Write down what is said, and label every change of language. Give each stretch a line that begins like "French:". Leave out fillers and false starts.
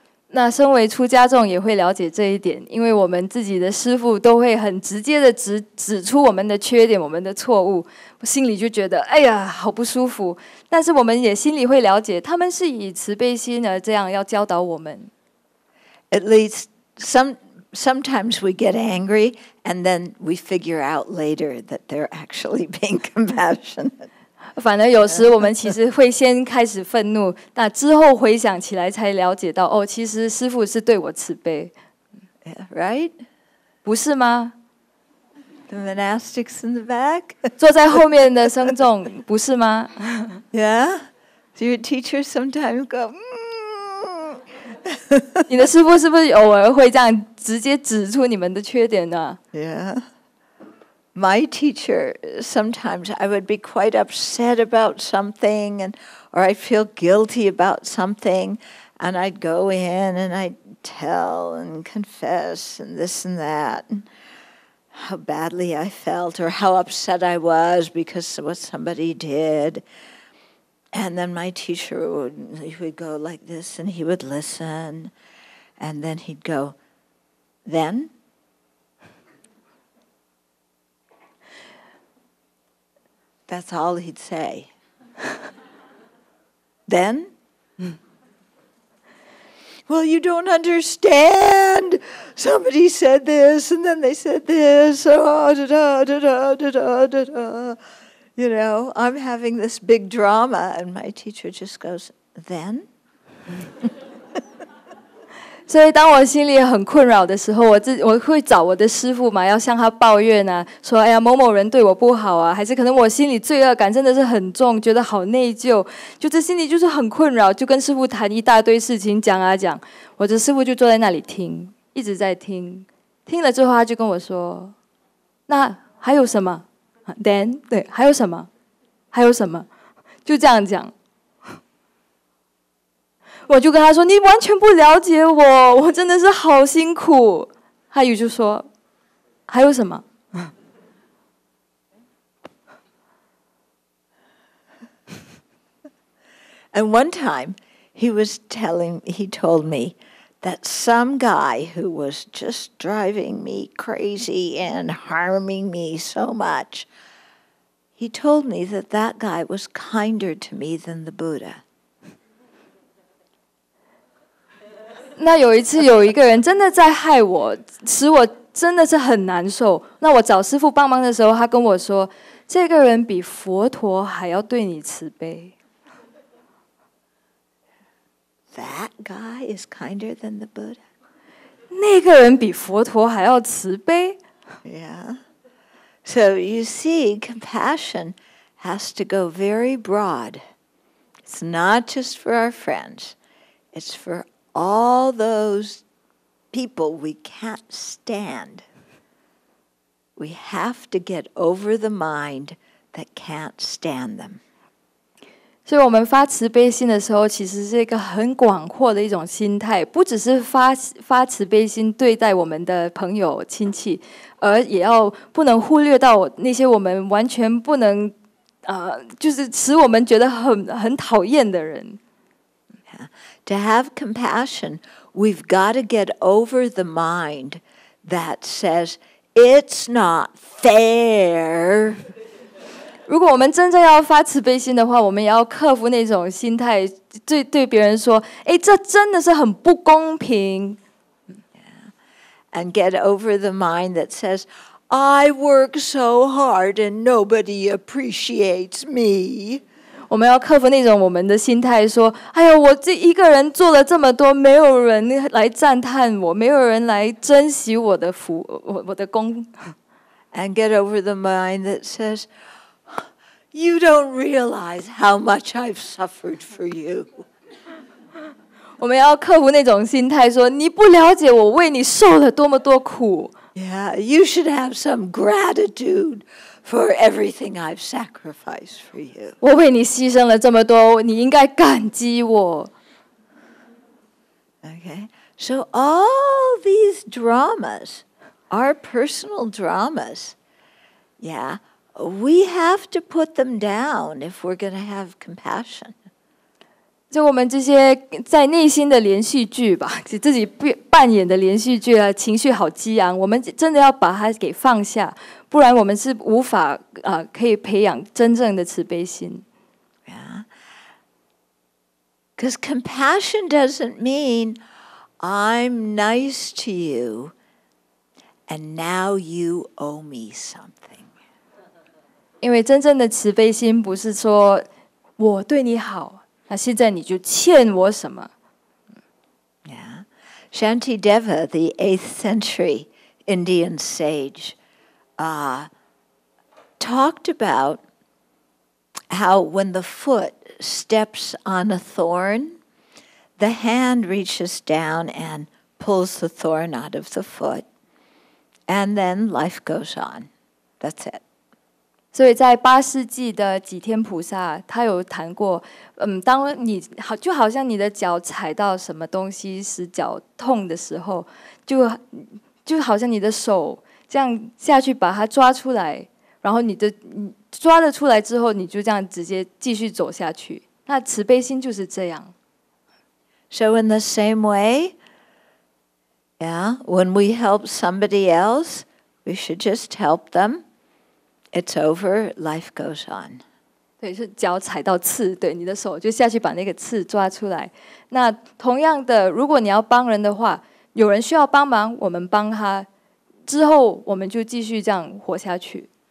Chinese: 那身为出家众也会了解这一点，因为我们自己的师父都会很直接的指出我们的缺点、我们的错误，心里就觉得哎呀，好不舒服。但是我们也心里会了解，他们是以慈悲心而这样要教导我们。
English: At least sometimes we get angry, and then we figure out later that they're actually being compassionate.
Chinese: 反而有时我们其实会先开始愤怒，那之后回想起来才了解到，哦，其实师父是对我慈悲。
English: Yeah, right?
Chinese: 不是吗？
English: The monastics in the back?
Chinese: 坐在后面的僧众，不是吗？
English: Yeah? So your teacher sometimes go,
Chinese: 你的师父是不是偶尔会这样直接指出你们的缺点呢？
English: Yeah. My teacher, sometimes I would be quite upset about something, and or I'd feel guilty about something, and I'd go in and I'd tell and confess and this and that, and how badly I felt or how upset I was because of what somebody did. And then my teacher would go like this, and he would listen, and then he'd go, then? That's all he'd say. Then? Well, you don't understand. Somebody said this, and then they said this. You know, I'm having this big drama, and my teacher just goes, then?
Chinese: 所以当我心里很困扰的时候，我会找我的师父嘛，要向他抱怨啊，说哎呀某某人对我不好啊，还是可能我心里罪恶感真的是很重，觉得好内疚，就这心里就是很困扰，就跟师父谈一大堆事情，讲啊讲，我的师父就坐在那里听，一直在听，听了之后他就跟我说，那还有什么 ？Then 对，还有什么？还有什么？就这样讲。我就跟他说：“你完全不了解我，我真的是好辛苦。” 他也就说：“还有什么？”
English: And one time, he told me that some guy who was just driving me crazy and harming me so much, he told me that that guy was kinder to me than the Buddha.
Chinese: 那有一次有一个人真的在害我，使我真的是很难受。那我找师父帮忙的时候，他跟我说，这个人比佛陀还要对你慈悲。
English: That guy is kinder than the Buddha.
Chinese: 那个人比佛陀还要慈悲。
English: Yeah. So you see, compassion has to go very broad. It's not just for our friends. It's for all those people we can't stand. We have to get over the mind that can't stand them.
Chinese: 所以我们发慈悲心的时候，其实是一个很广阔的一种心态，不只是发慈悲心对待我们的朋友亲戚，而也要不能忽略到那些我们完全不能，就是使我们觉得很讨厌的人。
English: To have compassion, we've got to get over the mind that says, it's not fair.
Chinese: 如果我们真正要发慈悲心的话，我们也要克服那种心态，对别人说，哎，这真的是很不公平。
English: And get over the mind that says, I work so hard and nobody appreciates me.
Chinese: 我们要克服那种我们的心态，说：“哎呀，我这一个人做了这么多，没有人来赞叹我，没有人来珍惜我的福，我的功。”
English: And get over the mind that says, You don't realize how much I've suffered for you.
Chinese: 我们要克服那种心态，说你不了解我为你受了多么多苦。
English: Yeah, you should have some gratitude for everything I've sacrificed for you.
Chinese: 我为你牺牲了这么多，你应该感激我。
English: Okay, so all these dramas are personal dramas. Yeah, we have to put them down if we're going to have compassion.
Chinese: 就我们这些在内心的连续剧吧，自己扮演的连续剧啊，情绪好激昂，我们真的要把它给放下，不然我们是无法啊，可以培养真正的慈悲心。
English: Because compassion doesn't mean I'm nice to you and now you owe me something.
Chinese: 因为真正的慈悲心不是说我对你好，那现在你就欠我什么。
English: Yeah. Shantideva, the 8th century Indian sage, talked about how when the foot steps on a thorn, the hand reaches down and pulls the thorn out of the foot, and then life goes on. That's it.
Chinese: 所以在八世纪的几天菩萨，他有谈过，当你好，就好像你的脚踩到什么东西使脚痛的时候，就好像你的手这样下去把它抓出来，然后抓得出来之后，你就这样直接继续走下去。那慈悲心就是这样。
English: So in the same way, yeah, when we help somebody else, we should just help them. It's over, life goes on.
Chinese: 对，是脚踩到刺，对，你的手就下去把那个刺抓出来。那同样的，如果你要帮人的话，有人需要帮忙，我们帮他，之后我们就继续这样活下去。